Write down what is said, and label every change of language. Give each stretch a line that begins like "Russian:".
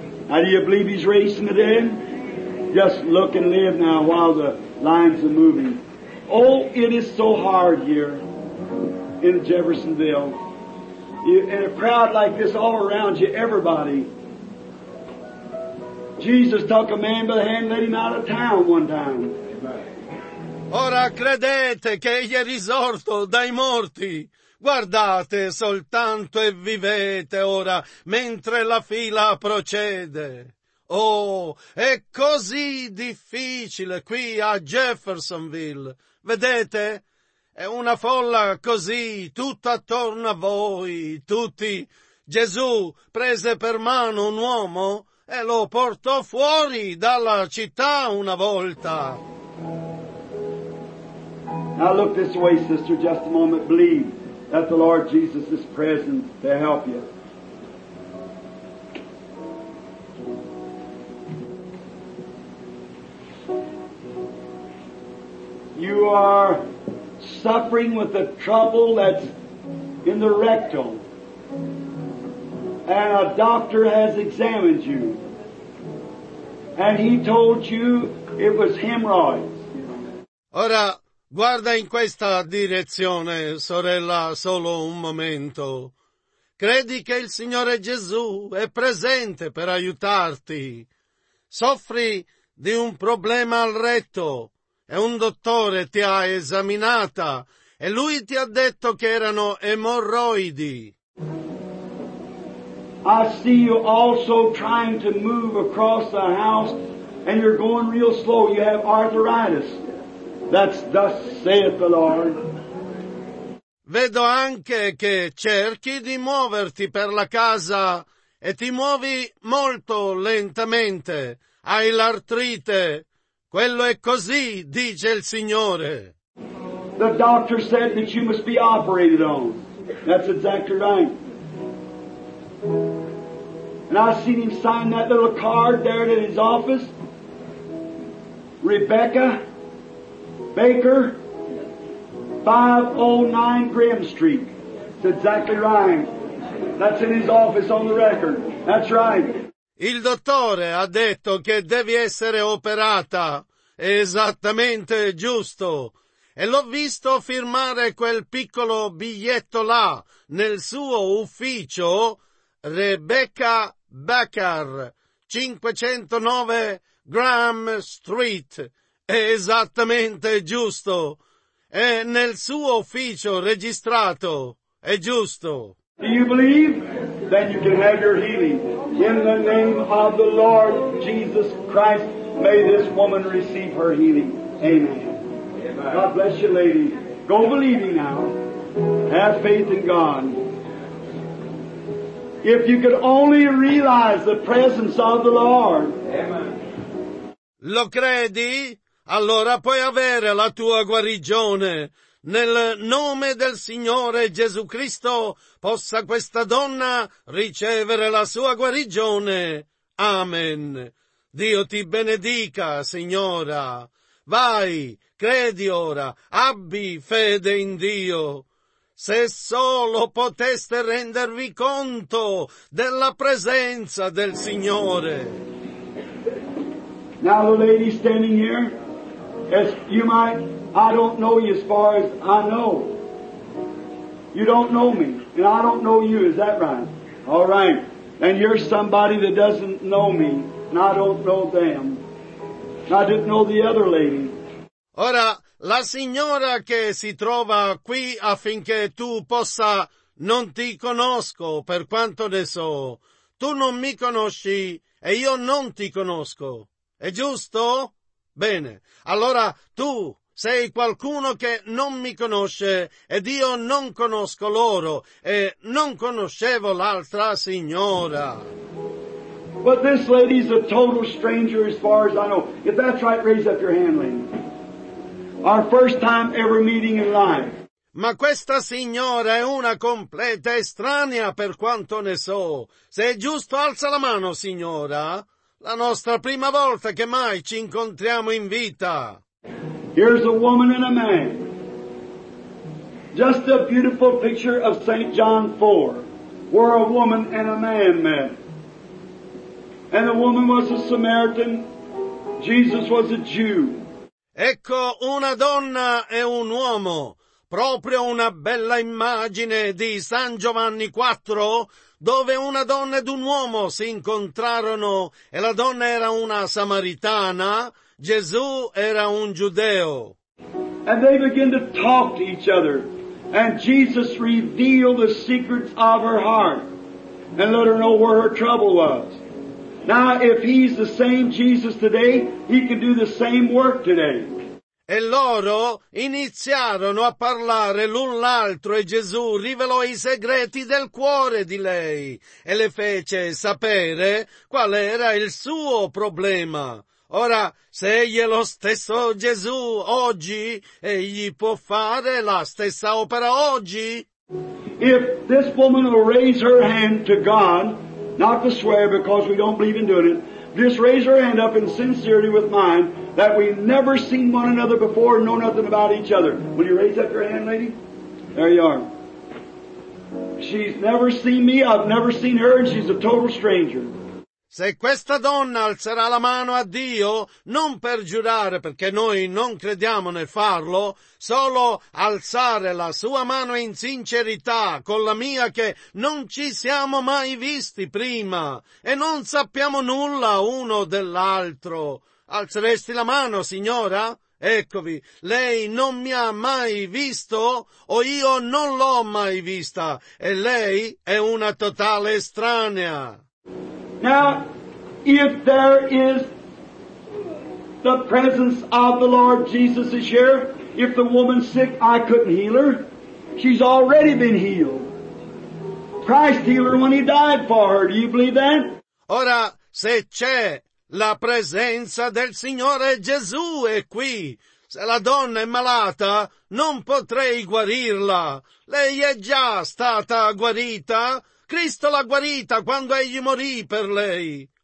English: Now, do you believe he's raising the dead? Just look and live now while the lines are moving. Oh, it is so hard here in Jeffersonville. In a crowd like this all around you, everybody. Jesus took a man by the hand and led him out of town one time.
Italian: Ora credete che egli è risorto dai morti. Guardate soltanto e vivete ora, mentre la fila procede. Oh, è così difficile qui a Jeffersonville. Vedete? È una folla così, tutta attorno a voi, tutti. Gesù prese per mano un uomo e lo portò fuori dalla città una volta.
English: Now look this way, sister, just a moment, believe that the Lord Jesus is present to help you. You are suffering with the trouble that's in the rectum, and a doctor has examined you, and he told you it was hemorrhoids.
Italian: Ora, guarda in questa direzione, sorella, solo un momento. Credi che il Signore Gesù è presente per aiutarti. Soffri di un problema al retto e un dottore ti ha esaminata e lui ti ha detto che erano emorroidi.
English: I see you also trying to move across the house and you're going real slow. You have arthritis. That's thus saith the Lord.
Italian: Vedo anche che cerchi di muoverti per la casa e ti muovi molto lentamente. Hai l'artrite. Quello è così, dice il Signore.
English: The doctor said that you must be operated on. That's exactly right. And I seen him sign that little card there in his office. Rebecca Baker, 509 Grimm Street. That's exactly right. That's in his office on the record. That's right.
Italian: Il dottore ha detto che devi essere operata. Esattamente giusto. E l'ho visto firmare quel piccolo biglietto là, nel suo ufficio, Rebecca Baker, 509 Grimm Street. È esattamente giusto. È nel suo ufficio registrato. È giusto.
English: Do you believe? Then you can have your healing. In the name of the Lord Jesus Christ, may this woman receive her healing. Amen. God bless you, lady. Go believing now. Have faith in God. If you could only realize the presence of the Lord.
Italian: Lo credi? Allora puoi avere la tua guarigione. Nel nome del Signore Gesù Cristo possa questa donna ricevere la sua guarigione. Amen. Dio ti benedica, signora. Vai, credi ora, abbi fede in Dio. Se solo poteste rendervi conto della presenza del Signore.
English: Now the lady standing here, as you might, I don't know you as far as I know. You don't know me, and I don't know you, is that right? All right, and you're somebody that doesn't know me, and I don't know them. I didn't know the other lady.
Italian: Ora, la signora che si trova qui affinché tu possa, non ti conosco per quanto ne so. Tu non mi conosci e io non ti conosco. È giusto? Bene. Allora tu sei qualcuno che non mi conosce ed io non conosco loro e non conoscevo l'altra signora.
English: But this lady's a total stranger as far as I know. If that's right, raise up your hand, lady. Our first time ever meeting in life.
Italian: Ma questa signora è una completa estranea per quanto ne so. Se è giusto, alza la mano, signora. La nostra prima volta che mai ci incontriamo in vita.
English: Here's a woman and a man. Just a beautiful picture of St. John 4, where a woman and a man met. And the woman was a Samaritan, Jesus was a Jew.
Italian: Ecco una donna e un uomo, proprio una bella immagine di San Giovanni 4, dove una donna ed un uomo si incontrarono e la donna era una samaritana, Gesù era un giudeo.
English: And they began to talk to each other, and Jesus revealed the secrets of her heart and let her know where her trouble was. Now, if he's the same Jesus today, he can do the same work today.
Italian: E loro iniziarono a parlare l'un l'altro e Gesù rivelò i segreti del cuore di lei e le fece sapere qual era il suo problema. Ora, se egli è lo stesso Gesù oggi, egli può fare la stessa opera oggi?
English: If this woman will raise her hand to God, not to swear because we don't believe in doing it, just raise your hand up in sincerity with mine that we've never seen one another before and know nothing about each other. Will you raise up your hand, lady? There you are. She's never seen me, I've never seen her, and she's a total stranger.
Italian: Se questa donna alzerà la mano a Dio, non per giurare perché noi non crediamo nel farlo, solo alzare la sua mano in sincerità con la mia che non ci siamo mai visti prima e non sappiamo nulla uno dell'altro. Alzeresti la mano, signora? Eccovi, lei non mi ha mai visto o io non l'ho mai vista e lei è una totale estranea.
English: Now, if there is the presence of the Lord Jesus is here, if the woman's sick, I couldn't heal her. She's already been healed. Christ healed her when he died for her. Do you believe that?
Italian: Ora, se c'è la presenza del Signore Gesù è qui. Se la donna è malata, non potrei guarirla. Lei è già stata guarita. Cristo l'ha guarita quando egli morì per lei.